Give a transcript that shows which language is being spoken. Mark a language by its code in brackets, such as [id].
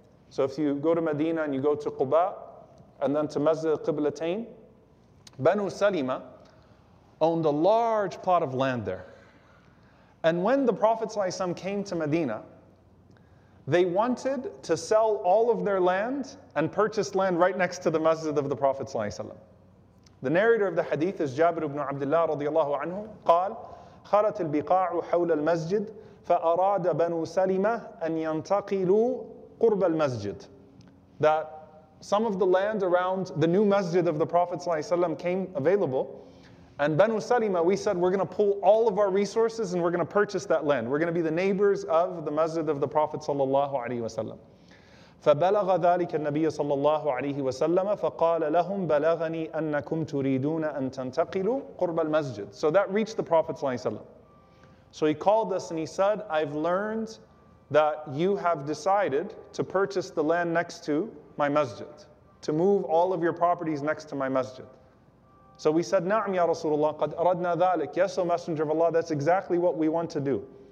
[en] So if you go to Medina and you go to Quba and then to Masjid al-Qiblatain, Banu Salima owned a large plot of land there. And when the Prophet ﷺ came to Medina, they wanted to sell all of their land and purchase land right next to the masjid of the Prophet ﷺ. The narrator of the hadith is Jabir ibn Abdullah radiallahu anhu, [ar] قال, خرت البقاع حول المسجد فأراد بنو سلمة أن ينتقلوا قرب المسجد. [en] That some of the land around the new masjid of the Prophet ﷺ came available, and Banu Salima, we said, we're going to pull all of our resources and we're going to purchase that land. We're going to be the neighbors of the masjid of the Prophet sallallahu alayhi wa sallam. [ar] فَبَلَغَ ذَلِكَ النَّبِيَّ sallallahu alayhi wa sallam فَقَالَ لَهُمْ بَلَغَنِي أَنَّكُمْ تُرِيدُونَ أَن تَنْتَقِلُوا قُرْبَ الْمَسْجِدِ. [en] So that reached the Prophet sallallahu alayhi wa sallam. So he called us and he said, I've learned that you have decided to purchase the land next to my masjid, to move all of your properties next to my masjid. So we said, [ar] Na'am ya Rasulullah, qad aradna dhalik. [en] Yes, O Messenger of Allah, that's exactly what we want to do.